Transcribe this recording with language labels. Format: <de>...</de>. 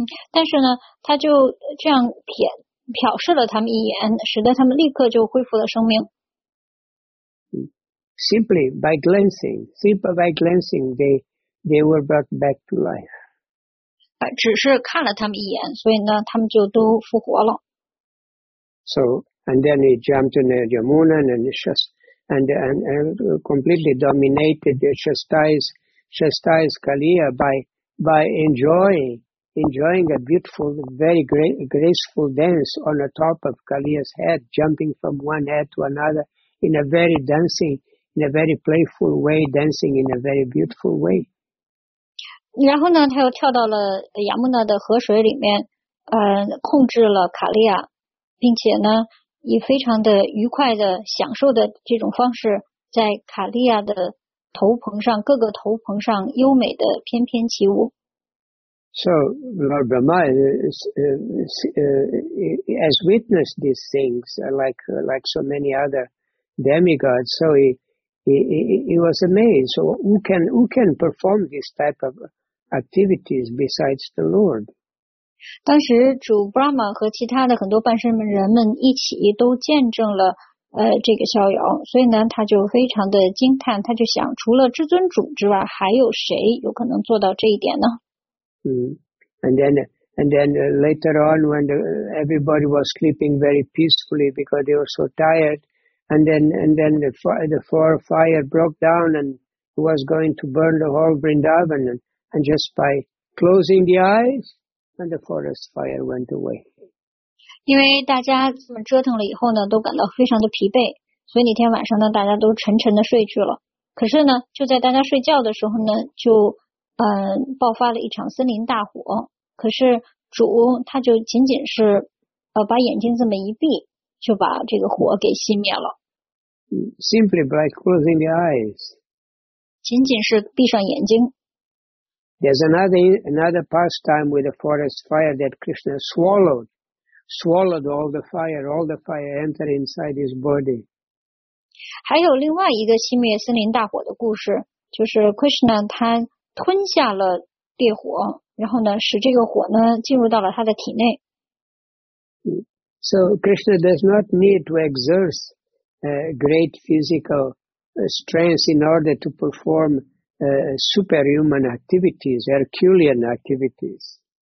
<zh>但是呢，他就这样瞟视了他们一眼，使得他们立刻就恢复了生命。</zh> <en>simply by glancing, simply by glancing, they were brought back to life.</en> <zh>只是看了他们一眼，所以呢，他们就都复活了。</zh> <en>So, and then he jumped in the Yamuna and completely dominated the chastise Kaliya by enjoying a beautiful, very graceful dance on the top of Kaliya's head, jumping from one head to another in a very playful way, dancing in a very beautiful way.</en> <zh>然后呢，他又跳到了亚木那的河水里面，控制了卡利亚，并且呢，以非常的愉快的享受的这种方式，在卡利亚的头棚上，各个头棚上优美的翩翩起舞。</zh> <en>So Lord Brahma has witnessed these things like so many other demigods. So he was amazed. So who can perform this type of activities besides the Lord?</en> <zh>当时主 Brahma 和其他的很多半身人们一起都见证了这个逍遥，所以呢，他就非常的惊叹，他就想，除了至尊主之外，还有谁有可能做到这一点呢？</zh> <en>And then later on, when everybody was sleeping very peacefully because they were so tired, and then the four fire broke down and was going to burn the whole Vrindavan, and just by closing the eyes, and the forest fire went away.</en> <zh>因为大家这么折腾了以后呢，都感到非常的疲惫，所以那天晚上呢，大家都沉沉的睡去了。可是呢，就在大家睡觉的时候呢，就爆发了一场森林大火。可是主他就仅仅是把眼睛这么一闭，就把这个火给熄灭了。</zh> <en>Simply by closing the eyes.</en> <zh>仅仅是闭上眼睛。</zh> <en>There's another pastime with the forest fire that Krishna swallowed all the fire entered inside his body.</en> <zh>还有另外一个熄灭森林大火的故事，就是 Krishna 他吞下了烈火，然后呢，使这个火呢进入到了他的体内。</zh> <en>So Krishna does not need to exert great physical strength in order to perform superhuman activities, Herculean activities.</en>